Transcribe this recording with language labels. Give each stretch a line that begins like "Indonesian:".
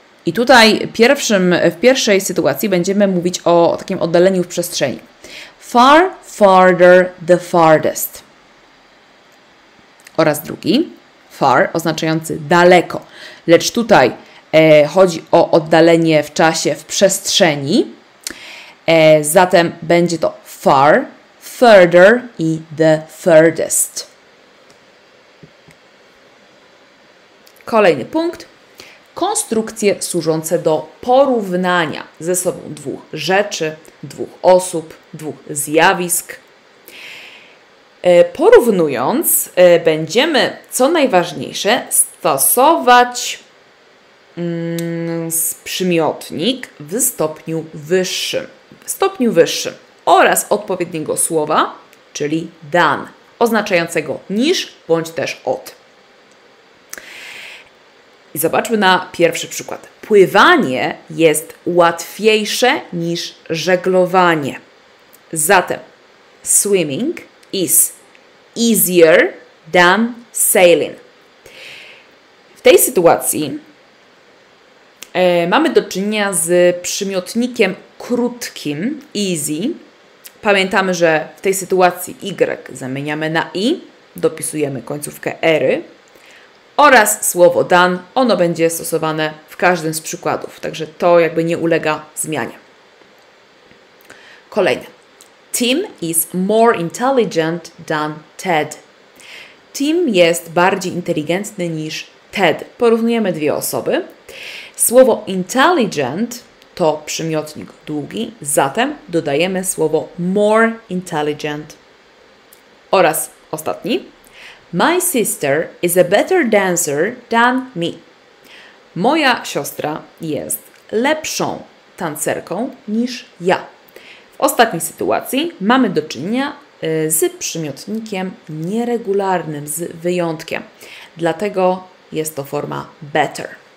Polish: I tutaj w pierwszej sytuacji będziemy mówić o takim oddaleniu w przestrzeni. Far, farther, the farthest. oraz drugi, far, oznaczający daleko. Lecz tutaj chodzi o oddalenie w czasie, w przestrzeni. Zatem będzie to
English: far, further
Polish: i
English: the furthest.
Polish: Kolejny punkt. Konstrukcje służące do porównania ze sobą dwóch rzeczy, dwóch osób, dwóch zjawisk. Porównując, będziemy, co najważniejsze, stosować przymiotnik w stopniu wyższym. W stopniu wyższym oraz odpowiedniego słowa, czyli than, oznaczającego niż bądź też od. I zobaczmy na pierwszy przykład. Pływanie jest łatwiejsze niż żeglowanie. Zatem
English: swimming is easier than sailing.
Polish: W tej sytuacji mamy do czynienia z przymiotnikiem krótkim, easy. Pamiętamy, że w tej sytuacji Y zamieniamy na I, dopisujemy końcówkę ery. Oraz słowo dan, ono będzie stosowane w każdym z przykładów. Także to jakby nie ulega zmianie. Kolejne.
English: Tim is more intelligent than Ted.
Polish: Tim jest bardziej inteligentny niż Ted. Porównujemy dwie osoby. Słowo intelligent to przymiotnik długi, zatem dodajemy słowo
English: more intelligent.
Polish: Oraz ostatni.
English: My sister is a better dancer than me.
Polish: Moja siostra jest lepszą tancerką niż ja. W ostatniej sytuacji mamy do czynienia z przymiotnikiem nieregularnym, z wyjątkiem. Dlatego jest to forma better.